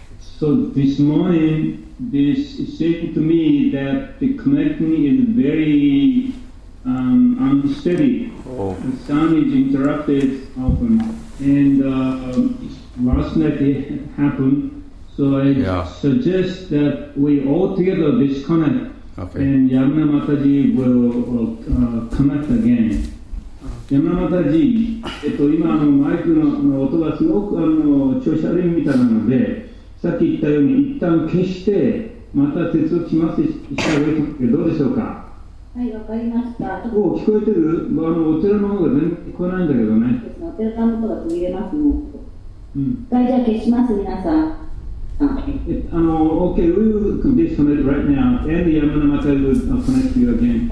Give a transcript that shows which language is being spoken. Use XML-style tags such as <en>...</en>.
<en>So this morning, this is saying to me that the connecting is very unsteady. Oh. The sound is interrupted often. And last night it happened. So I suggest that we all together disconnect. Okay. And Yamuna Mataji will connect again.</en> <ja>Yamuna Mataji, 今あのマイクの音がすごくあの調子悪いみたいなので、さっき言ったように一旦消してまた接続しますって言った方がどうでしょうか。はい、わかりました。お、聞こえてる？あのお寺の方が全然聞こえないんだけどね。お寺さんの方が途切れますもん。うん。はい、じゃあ消します皆さん。</ja> <en>Okay, we will disconnect right now, and Yamuna Mataji will connect to you again.</en>